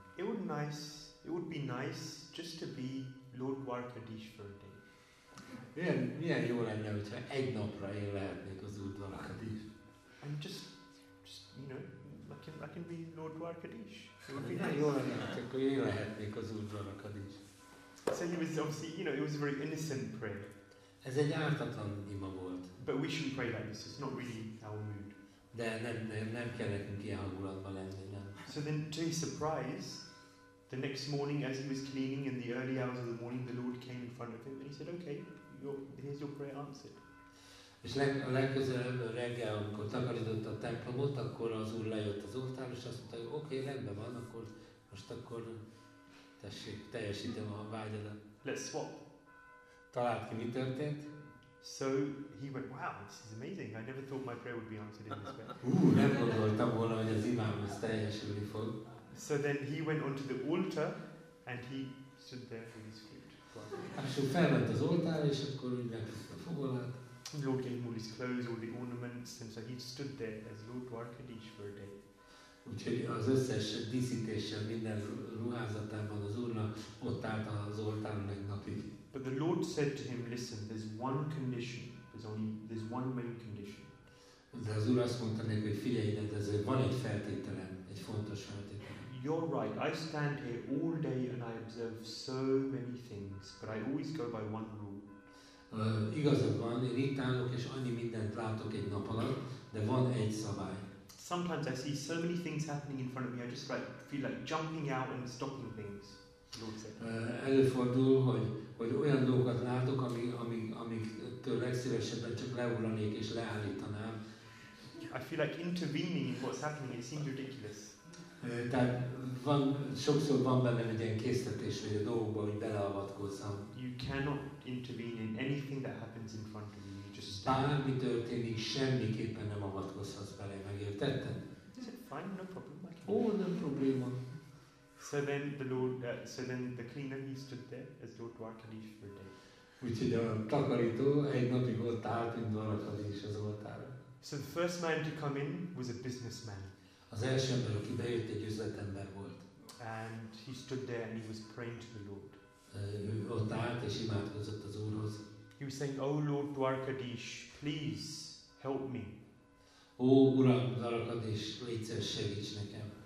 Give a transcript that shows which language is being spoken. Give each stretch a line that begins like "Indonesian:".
English: It would be nice just to be Lord Dwarkadish for a day.
Hungarian: Milyen jó lenne, hogyha egy napra én lehetnék az Úr Dwarkadish.
English: I'm just, you know, I can be Lord Dwarkadish.
Hungarian: Jó lenne, hogyha az Úr Dwarkadish.
English: So he was obviously, you know, it was a very innocent prayer.
Hungarian: Ez egy ártatlan ima volt.
English: But we shouldn't pray like this. It's not really our mood.
Hungarian: De nem kell nekünk ilyen hangulatban lenni, nem.
English: So then, to his surprise, the next morning, as he was cleaning in the early hours of the morning, the Lord came in front of him and he said, okay, here's your prayer answered.
Hungarian: És a legközelebb reggel, amikor takarított a templomot, akkor az Úr lejött az oltár, és azt mondta, okay, rendben van, akkor most akkor tessék, teljesítem a vágyadat.
English: Let's swap.
Hungarian: Talált ki, mi történt?
English: So he went, wow, this is amazing. I never thought my prayer would be answered in this way.
Hungarian: Nem gondoltam volna, hogy az imám ezt teljesülni fog.
English: So then he went onto the altar and he stood there with his flute. Actually,
Hungarian: felment az oltár és akkor úgy megkapta a foglalat.
English: The Lord gave him all his clothes, all the ornaments, and so he stood there as Lord Dwarkadish for a day.
Hungarian: Úgyhogy az összes díszítéssel, minden ruházatában az Úrnak ott állt az oltáron egy napig.
English: But the Lord said to him, listen, there's one condition, there's one main condition.
Hungarian: De az Úr azt mondta neki, hogy figyelj, de ezért van egy feltételem, egy fontos feltételem.
English: You're right, I stand here all day and I observe so many things, but I always go by one rule.
Hungarian: Igazad van, én itt állok és annyi mindent látok egy nap alatt, de van egy szabály.
English: Sometimes I see so many things happening in front of me, I just feel like jumping out and stopping things.
Hungarian: Előfordul, hogy olyan dolgokat látok, amiktől legszívesebben csak leugranék és leállítanám.
English: I feel like intervening in what's happening, it seems ridiculous.
Hungarian: Tehát van, sokszor van bennem egy ilyen késztetés, hogy a dolgokba, hogy beleavatkozzam.
English: You cannot intervene in anything that happens in front of you, you just stand.
Hungarian: Bármi történik, semmiképpen nem avatkozhatsz bele, megértetted?
English: Is it fine? No problem. No problem. So then the Lord, so then the cleaner, he stood there as Lord Dwarkadish for a day.
Hungarian: Úgyhogy a takarító egy napig ott állt, mint Dwarkadish az oltára.
English: So the first man to come in was a businessman.
Hungarian: Az első ember, aki bejött, egy üzletember volt.
English: And he stood there and he was praying to the Lord.
Hungarian: Ott állt és imádkozott az Úrhoz.
English: He was saying, "Oh Lord Dwarkadish, please help me."
Hungarian: Ó Uram, Dwarkadish, légy szíves, segíts nekem.